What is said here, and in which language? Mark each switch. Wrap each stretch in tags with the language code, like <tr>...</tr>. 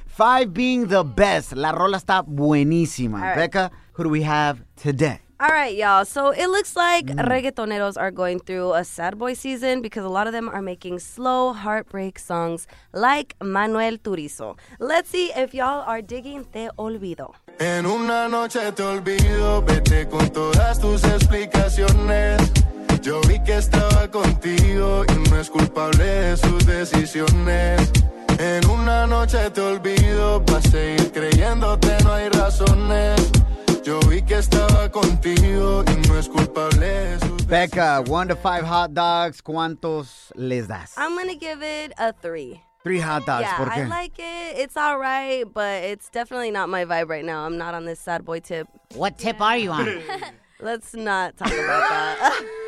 <en>5 being the best.</en> <es>La rola está buenísima.</es> <en>Right. Becca, who do we have today? All right, y'all. So it looks like reggaetoneros are going through a sad boy season because a lot of them are making slow heartbreak songs like Manuel Turizo. Let's see if y'all are digging Te Olvido.</en> <es>En una noche te olvido, vete con todas tus explicaciones. Yo vi que estaba contigo y no es culpable de sus decisiones. En una noche te olvido, pa' seguir creyéndote no hay razones. Yo vi que estaba contigo y no es culpable.</es> <en>Becca, 1 to 5 hot dogs,</en> <es>¿cuántos les das?</es> <en>I'm going to give it a 3. 3 hot dogs, yeah,</en> <es>¿por qué?</es> <en>Yeah, I like it. It's all right, but it's definitely not my vibe right now. I'm not on this sad boy tip. What tip are you on? Let's not talk about that.</en>